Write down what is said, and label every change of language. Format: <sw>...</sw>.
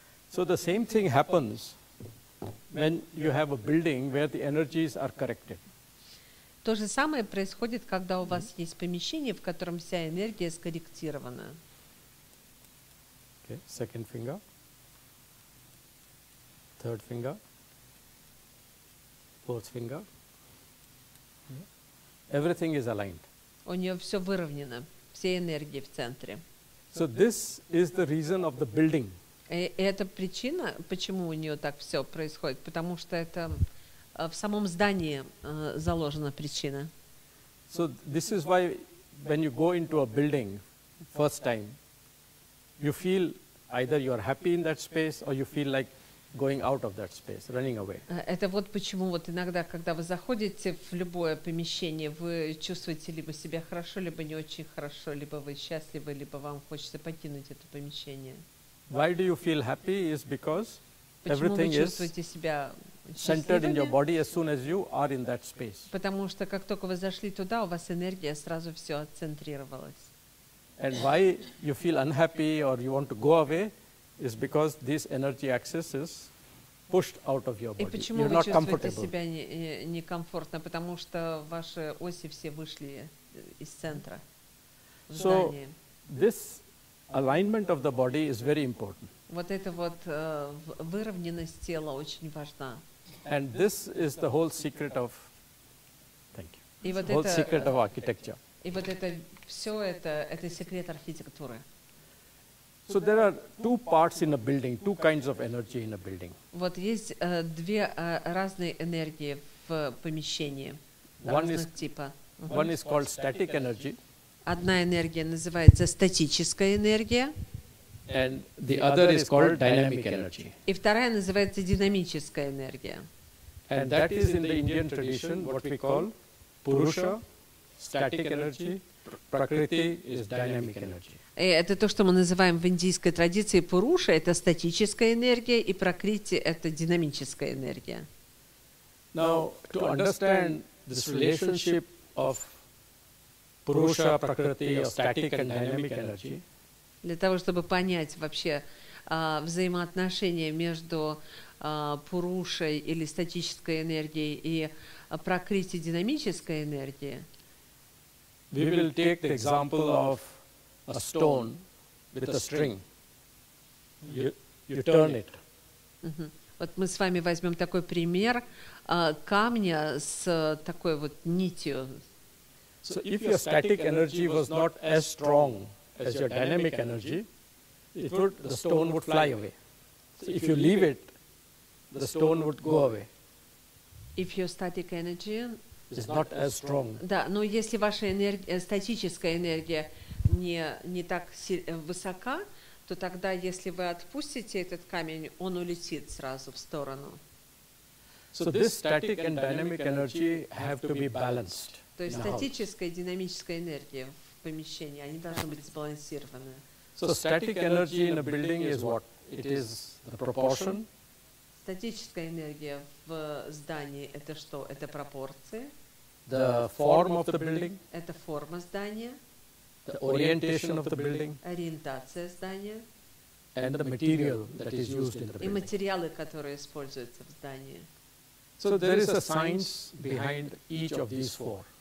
<en>So the same thing happens when you have a building where the energies are corrected.</en> <ru>То же самое происходит, когда у вас есть помещение, в котором вся энергия скорректирована.</ru> <en>Okay, second finger. Third finger. Fourth finger. Everything is aligned.</en> <ru>У нее все выровнено, все энергии в центре.</ru> <en>So this is the reason of the building.</en> <ru>И это причина, почему у нее так все происходит, потому что это в самом здании заложена причина.</ru> <en>So this is why when you go into a building first time, you feel either you are happy in that space or you feel like going out of that space, running away.</en> <ru>Это вот почему вот иногда, когда вы заходите в любое помещение, вы чувствуете либо себя хорошо, либо не очень хорошо, либо вы счастливы, либо вам хочется покинуть это помещение.</ru> <en>Why do you feel happy? Is because everything is centered in your body as soon as you are in that space.</en> <ru>Потому что как только вы зашли туда, у вас энергия сразу все отцентрировалась.</ru> <en>And why you feel unhappy or you want to go away? Is because this energy axis is pushed out of your body.</en> <ru>И почему</ru> <en>you're</en> <ru>вы</ru> <en>not</en> <ru>чувствуете</ru> <en>comfortable?</en> <ru>Себя некомфортно? Потому что ваши оси все вышли из центра.</ru> <en>So this alignment of the body is very important.</en> <ru>Вот эта вот выровненность тела очень важна.</ru> <en>And this is the whole secret of thank you.</en> <ru>И вот</ru> <en>whole</en> <ru>это,</ru> <en>secret of architecture.</en> <ru>И вот это все это секрет архитектуры.</ru> <en>So there are two parts in a building, two kinds of energy in a building.</en> <ru>Вот есть две разные энергии в помещении, разных типа.</ru> <en>One is called static energy.</en> <ru>Одна энергия называется статическая энергия.</ru> <en>And the other is called dynamic energy.</en> <ru>И вторая называется динамическая энергия.</ru> <en>And that is in the Indian tradition what we call Purusha, static energy, Prakriti is dynamic energy.</en> <ru>И это то, что мы называем в индийской традиции Пуруша, это статическая энергия, и Пракрити – это динамическая энергия.</ru> <en>Now, to understand this relationship of Purusha, Prakriti, static and dynamic energy,</en> <ru>для того, чтобы понять вообще взаимоотношения между Пурушей или статической энергией и Пракрити динамической энергией,</ru> <en>we will take the example of a stone with a string. You turn it.</en> <ru>Вот мы с вами возьмем такой пример камня с такой вот нитью.</ru> <en>So if your static energy was not as strong as your dynamic energy, the stone would fly away. So if you leave it, the stone would go away. If your static energy is not as strong.</en> <ru>Да, но если ваша статическая энергия не так высока, то тогда, если вы отпустите этот камень, он улетит сразу в сторону.</ru> <en>So this static and dynamic energy have to be balanced.</en> <ru>То есть статическая и динамическая энергия в помещении, они должны быть сбалансированы.</ru> <en>So static energy in a building is what? It is the proportion.</en> <ru>Статическая энергия в здании – это что? Это пропорции.</ru> <en>The form of the building.</en> <ru>Это форма здания.</ru> <en>The orientation of the building.</en> <ru>Ориентация здания.</ru> <en>And the material that is used in the building.</en> <ru>И материалы, которые используются в здании.</ru> <en>So there is a science behind each of these four.</en>